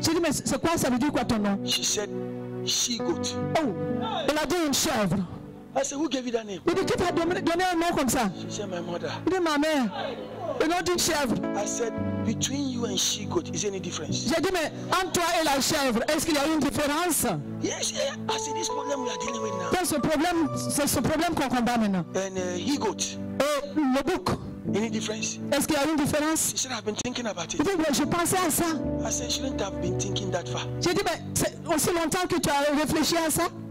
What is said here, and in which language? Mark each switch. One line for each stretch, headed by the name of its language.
French: J'ai dit, mais c'est quoi, ça veut dire quoi ton nom?
English: She said, she goat.
French: Oh, elle a dit une chèvre.
English: I said, who gave you that name?
French: Elle dit, qui t'a donné un nom comme ça?
English: She said, my mother.
French: Elle dit, ma mère. Elle a dit une chèvre.
English: I said, between you and she goat, is there any difference?
French: J'ai dit, mais entre toi et la chèvre, est-ce qu'il y a une différence?
English: Yes, I see this problem we are dealing with now.
French: Donc c'est ce problème qu'on combat maintenant.
English: And he goat.
French: Le bouc.
English: Any difference?
French: Est-ce qu'il y a une différence?
English: She said, I've been thinking about it.
French: Dit, je pensais à ça.
English: I said, she shouldn't have been thinking that far.
French: J'ai dit, mais c'est aussi longtemps que tu as réfléchi à ça?